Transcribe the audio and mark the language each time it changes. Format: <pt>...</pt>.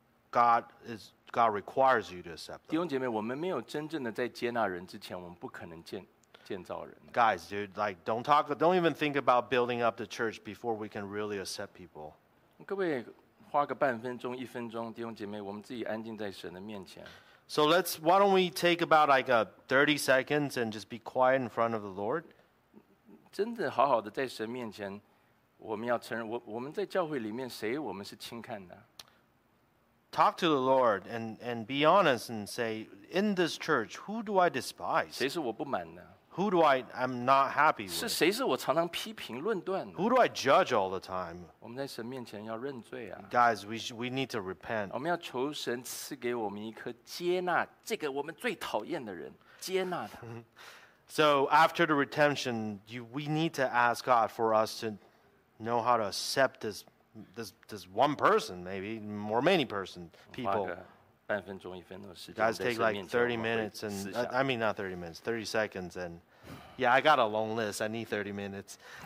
<en>God requires you to accept him.</en> <zh>弟兄姐妹，我们没有真正的在接纳人之前，我们不可能建造人。</zh> <en>Guys, dude, like, don't even think about building up the church before we can really accept people.</en> <zh>各位花个半分钟、一分钟，弟兄姐妹，我们自己安静在神的面前。</zh> <en>So why don't we take about like a 30 seconds and just be quiet in front of the Lord?</en> <zh>真的好好的在神面前，我们要承认，我们在教会里面谁我们是轻看的。</zh> <en>Talk to the Lord and be honest and say, in this church, who do I despise?</en> <zh>谁是我不满的？</zh> <en>Who do I, I'm not happy with?</en> <zh>是谁是我常常批评论断的？</zh> <en>Who do I judge all the time?</en> <zh>我们在神面前要认罪啊。</zh> <en>Guys, we need to repent.</en> <zh>我们要求神赐给我们一颗接纳这个我们最讨厌的人，接纳他。</zh> <en>So after the redemption, we need to ask God for us to know how to accept this one person, maybe, or many person, people.</en> <zh>半分钟一分钟的时间</zh> <en>Guys, take like 30 minutes, and, I mean not 30 minutes, 30 seconds, and yeah, I got a long list, I need 30 minutes.</en>